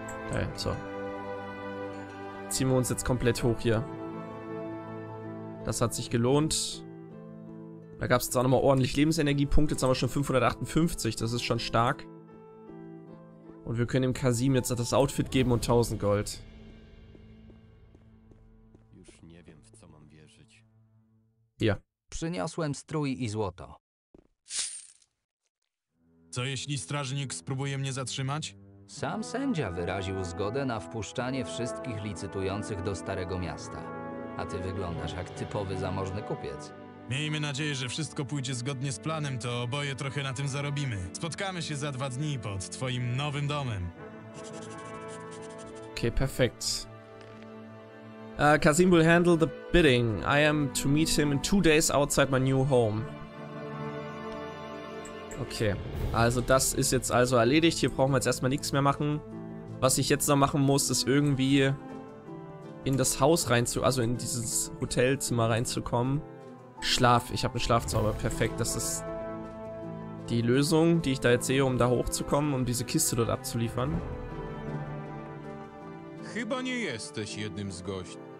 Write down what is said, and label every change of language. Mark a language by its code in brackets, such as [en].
[de] Okay, so. Ziehen wir uns jetzt komplett hoch hier. Das hat sich gelohnt. Da gab es jetzt auch nochmal ordentlich Lebensenergiepunkte. Jetzt haben wir schon 558. Das ist schon stark. Und wir können dem Kasim jetzt das Outfit geben und 1000 Gold. [pl] Już nie wiem, w co mam wierzyć. [de] Ja. [pl] Przyniosłem strój i złoto. Co jeśli strażnik spróbuje mnie zatrzymać? Sam sędzia wyraził zgodę na wpuszczanie wszystkich licytujących do Starego Miasta. A ty wyglądasz jak typowy zamożny kupiec. Miejmy nadzieję, że wszystko pójdzie zgodnie z planem, to oboje trochę na tym zarobimy. Spotkamy się za dwa dni pod twoim nowym domem. [en] Okay, perfekt. Kasim will handle the bidding. I am to meet him in 2 days outside my new home. [de] Okay, also das ist jetzt also erledigt. Hier brauchen wir jetzt erstmal nichts mehr machen. Was ich jetzt noch machen muss, ist irgendwie in das Haus reinzukommen, also in dieses Hotelzimmer reinzukommen. Schlaf, ich habe einen Schlafzauber, perfekt, das ist die Lösung, die ich da jetzt sehe, um da hochzukommen, um diese Kiste dort abzuliefern. [pl] Chyba nie jesteś jednym z gości.